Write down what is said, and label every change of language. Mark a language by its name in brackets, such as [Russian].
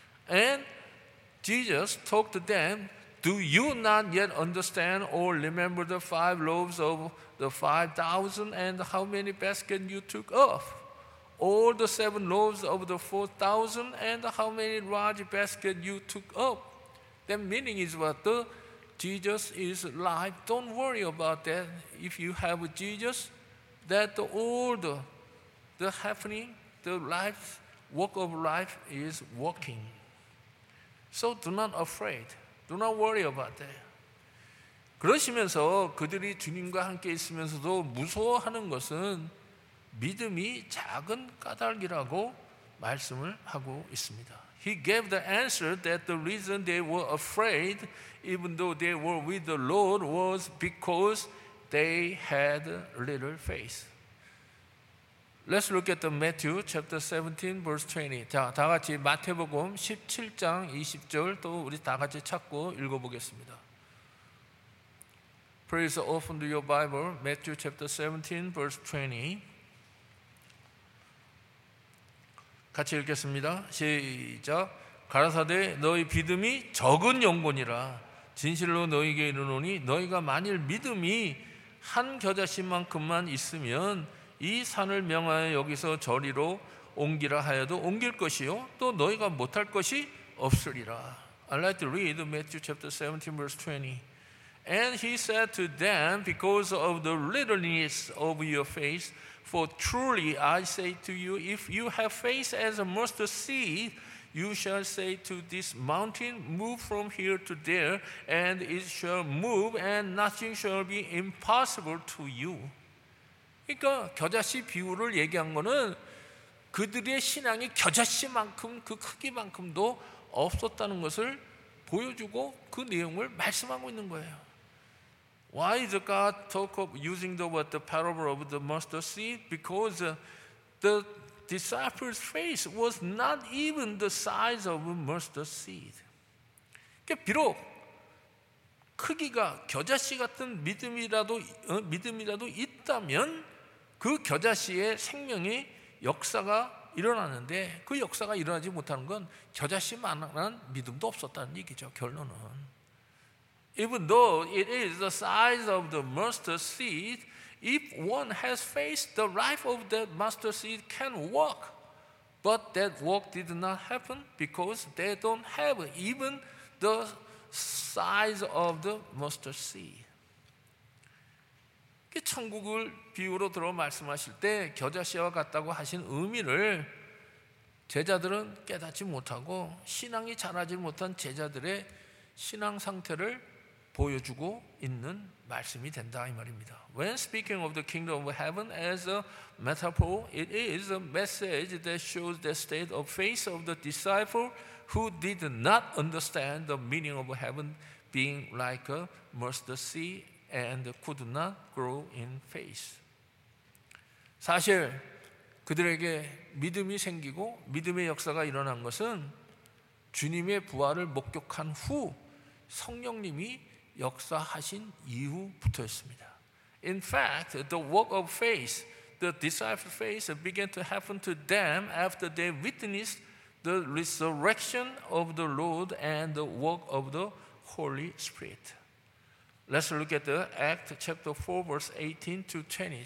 [English] And Jesus talked to them, Do you not yet understand or remember the five loaves of the 5,000 and how many baskets you took off? Or the seven loaves of the 4,000 and how many large baskets you took up? That meaning is what the Jesus is like. Don't worry about that. If you have a Jesus, that all the happening, the life, walk of life is walking. So do not afraid. Do not worry about that. [Korean] 그러시면서 그들이 주님과 함께 있으면서도 무서워하는 것은 믿음이 작은 까닭이라고 말씀을 하고 있습니다. [English] He gave the answer that the reason they were afraid even though they were with the Lord was because they had little faith. Let's look at the Matthew chapter 17 verse 20. [Korean] 자, 다 같이 마태복음 17장 20절 또 우리 다 같이 찾고 읽어보겠습니다. [English] Please open your Bible, Matthew chapter 17 verse 20. [Korean] 같이 읽겠습니다. 시작. 가라사대 너희 믿음이 적은 영곤이라 진실로 너희에게 이르노니 너희가 만일 믿음이 한 겨자씨만큼만 있으면 이 산을 명하여 여기서 저리로 옮기라 하여도 옮길 것이요 또 너희가 못할 것이 없으리라. [English] I'd like to read Matthew chapter 17 verse 20. And he said to them, because of the littleness of your faith, for truly I say to you, if you have faith as a mustard seed, you shall say to this mountain, move from here to there, and it shall move, and nothing shall be impossible to you. [Korean] 그러니까 겨자씨 비유를 얘기한 거는 그들의 신앙이 겨자씨만큼 그 크기만큼도 없었다는 것을 보여주고 그 내용을 말씀하고 있는 거예요. [English] Why is God talk of using the parable of the mustard seed? Because the disciples' faith was not even the size of a mustard seed. [Korean] 그러니까 비록 크기가 겨자씨 같은 믿음이라도 있다면 그 겨자씨의 생명의 역사가 일어나는데 그 역사가 일어나지 못하는 건 겨자씨만한 믿음도 없었다는 얘기죠. 결론은. [English] Even though it is the size of the mustard seed, if one has faith, the life of that mustard seed can walk. But that walk did not happen because they don't have even the size of the mustard seed. [Korean] 천국을 비유로 들어 말씀하실 때 겨자씨와 같다고 하신 의미를 제자들은 깨닫지 못하고 신앙이 자라지 못한 제자들의 신앙 상태를 보여주고 있는 말씀이 된다 이 말입니다. [English] When speaking of the kingdom of heaven as a metaphor, it is a message that shows the state of faith of the disciple who did not understand the meaning of heaven being like a mustard seed and could not grow in faith. [Korean] 사실 그들에게 믿음이 생기고 믿음의 역사가 일어난 것은 주님의 부활을 목격한 후 성령님이 역사하신 이후부터였습니다. [English] In fact, the work of faith, the disciples' faith began to happen to them after they witnessed the resurrection of the Lord and the work of the Holy Spirit. Let's look at the Acts chapter 4, verse 18 to 20.